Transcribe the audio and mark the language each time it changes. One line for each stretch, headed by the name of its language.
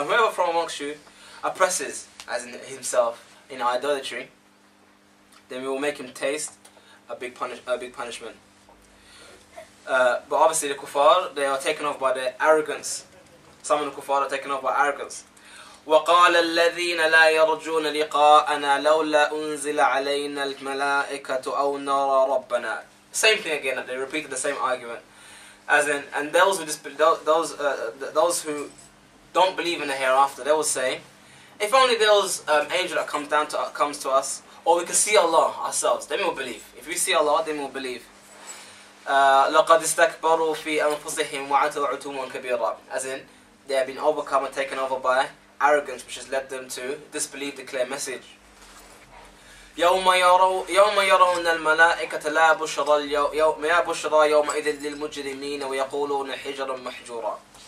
English: And whoever from amongst you oppresses, as in himself, in idolatry, then we will make him taste a big punishment. But obviously the kuffar, they are taken off by their arrogance. Some of the kuffar are taken off by arrogance.
Arabic: وقال الذين لا يرجون لقاءنا لولا أنزل علينا الملائكة أو نرى ربنا.
English: Same thing again. They repeated the same argument. As in, and those who don't believe in the hereafter, they will say, if only there was an angel that comes to us, or we can see Allah ourselves, then we'll believe. If we see Allah, then we'll believe.
Arabic: لقد استكبروا في أنفسهم وعتوا عتوا كبيرا.
English: As in, they have been overcome and taken over by arrogance, which has led them to disbelieve the clear message.
Arabic: يَوْمَ يَرَوْنَ الْمَلَائِكَةَ لَا بُشْرَى الْيَوْمَ يَا بُشْرَى يَوْمَ إِذِ لِلْمُجْرِمِينَ وَيَقُولُونَ حِجْرًا مَحْجُورًا.